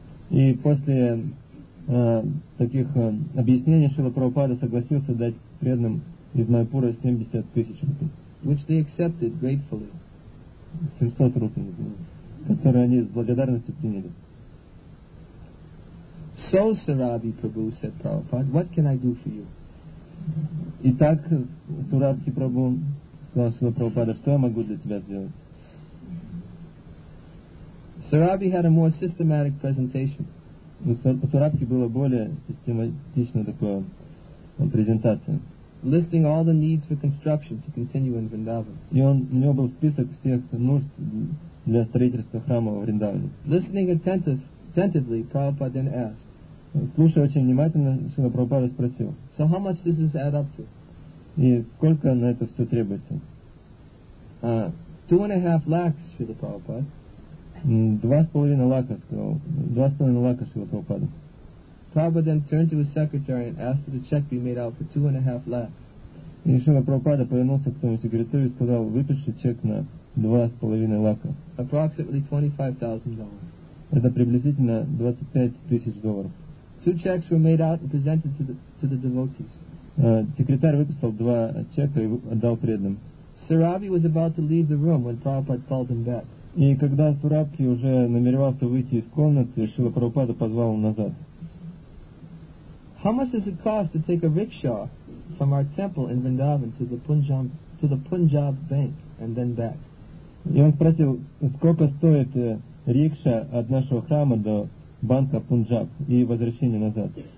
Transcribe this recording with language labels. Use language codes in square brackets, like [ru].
[ru] И после таких объяснений Шрила Прабхупада согласился дать преданным из Майпура 70 тысяч рупий. [en] Which they accepted gratefully. [ru] 700 рупий, которые они с благодарностью приняли. [en] So, Sarabhi Prabhu, said Prabhupada, what can I do for you? [ru] Итак, Сарабхи Прабху, сказал Шрила Прабхупада, что я могу для тебя сделать? [en] Sarabhi had a more systematic presentation. [ru] Сарабхи было более систематичное такое презентация. [en] Listing all the needs for construction to continue in Vrindavan. [ru] И он, у него был список всех нужд для строительства храма в Вриндаване. [en] Listening attentively, Prabhupada then asked. [ru] Слушая очень внимательно, Шрила Прабхупада спросил. [en] So how much does this add up to? [ru] И сколько на это все требуется? [en] 2.5 lakhs, Шрила Прабхупада. [ru] 2.5 lakhs, сказал. 2.5 lakhs, Шрила Прабхупада. [en] Prabhupada then turned to his secretary and asked that the check be made out for 2.5 lakhs. [ru] И Шрила Прабхупада повернулся к своему секретарю и сказал, выпиши чек на 2.5 lakhs. [en] Approximately $25,000. [ru] Это приблизительно 25 тысяч долларов. [en] Two checks were made out and presented to the devotees. [ru] Секретарь выписал два чека и отдал преданным. [en] Sarabhi was about to leave the room when Prabhupada called him back. [ru] И когда Сарабхи уже намеревался выйти из комнаты, Шрила Прабхупада позвал его назад. [en] How much does it cost to take a rickshaw from our temple in Vrindavan to the Punjab bank and then back? [ru] И он спросил, сколько стоит рикша от нашего храма до банка Пунджаб и возвращение назад?